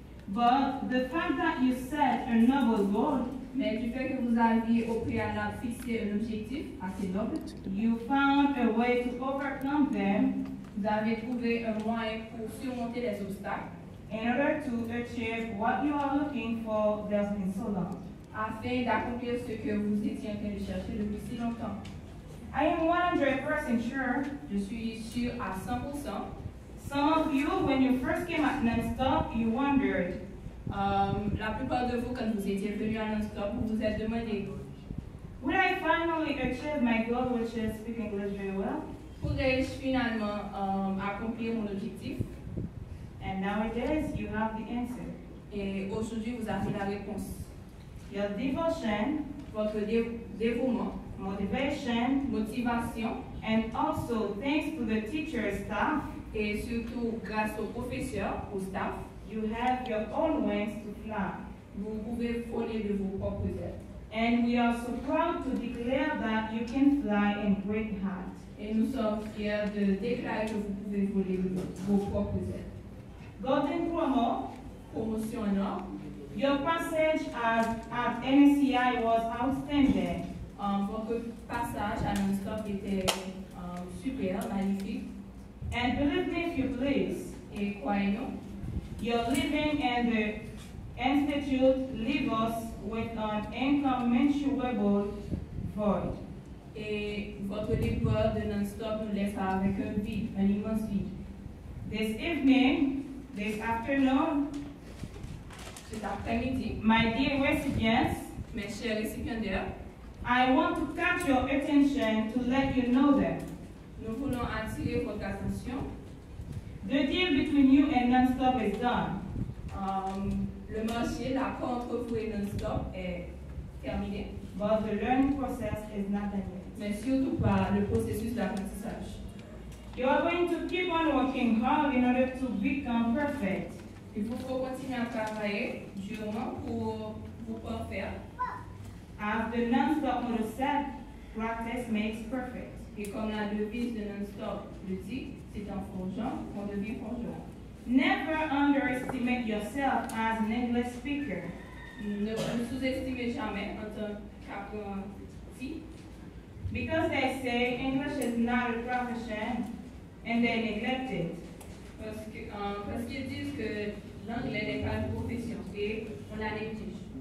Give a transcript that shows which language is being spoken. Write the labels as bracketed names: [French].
[English] But the fact that you set a noble goal, [French] mais du fait que vous aviez au préalable fixé un objectif assez noble, [English] you found a way to overcome them. [French] Vous avez trouvé un moyen pour surmonter les obstacles. [English] In order to achieve what you are looking for, there's been so long. [French] Afin d'accomplir ce que vous étiez en train de chercher depuis si longtemps. [English] I am 100% sure. [French] Je suis sûr à 100%. [English] Some of you, when you first came at Nonstop, you wondered. [French] La plupart de vous, quand vous étiez venu à Nonstop, vous vous êtes demandé. [English] Would I finally achieve my goal, which is speak English very well? [French] Pourrais-je finalement accomplir mon objectif? [English] And nowadays, you have the answer. [French] Et aujourd'hui, vous avez la réponse. [English] Your devotion, [French] votre dévouement, [English] motivation, [French] motivation, [English] and also thanks to the teacher staff, [French] et surtout grâce aux professeurs, aux staff, [English] you have your own wings to fly. [French] Vous pouvez voler de vos propres ailes. [English] And we are so proud to declare that you can fly and break heart. [French] Et nous sommes fiers de déclarer que vous pouvez voler de vos propres ailes. [English] Golden promo, [French] promotion en or. [English] Your passage at NCI was outstanding. [French] Votre passage à Nonstop était super, magnifique. [English] And believe me if you please. [French] Et croyez-nous. [English] Your living in the institute leave us with an incommensurable void. [French] Et votre départ de Nonstop nous laisse avec un vide, un immense vide. [English] This evening, this afternoon, [French] cet après-midi, [English] my dear recipients, [French] mes chers récipiendaires, [English] I want to catch your attention to let you know that. [French] Nous voulons attirer votre attention. [English] The deal between you and Nonstop is done. [French] Le marché, l'accord entre vous et Nonstop est terminé. [English] But the learning process is not done yet. [French] Mais surtout pas le processus d'apprentissage. [English] You are going to keep on working hard in order to become perfect. [French] Il vous faut continuer à travailler durement pour vous parfaire. [English] As the Nonstop motto said, practice makes perfect. [French] Et comme la devise de Nonstop le dit, c'est en forgeant qu'on devient forgeant. [English] Never underestimate yourself as an English speaker. [French] Ne vous sous-estimez jamais en tant qu'apprenti. [English] Because they say English is not a profession and they neglect it. [French] Parce qu'ils disent que l'anglais n'est pas une profession et on la néglige.